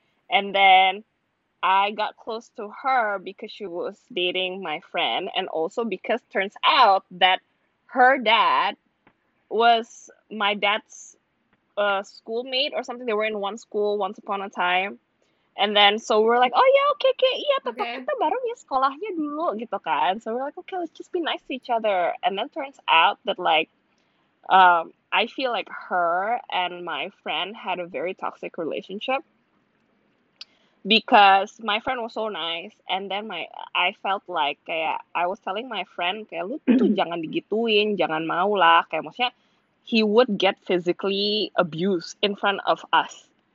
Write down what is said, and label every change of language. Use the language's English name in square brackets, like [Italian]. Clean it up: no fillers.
[English] And then I got close to her because she was dating my friend, and also because turns out that her dad was my dad's schoolmate or something. They were in one school once upon a time, and then so we're like, oh yeah, okay yeah, [Indonesian] tetap okay. Kita bareng ya sekolahnya dulu gitu kan. [English] So we're like, okay, let's just be nice to each other. And then turns out that like I feel like her and my friend had a very toxic relationship, because my friend was so nice, and then I felt like I was telling my friend kayak [Indonesian] lu tuh jangan digituin, jangan mau lah, [English] kayak maksudnya he would get physically abused in front of us.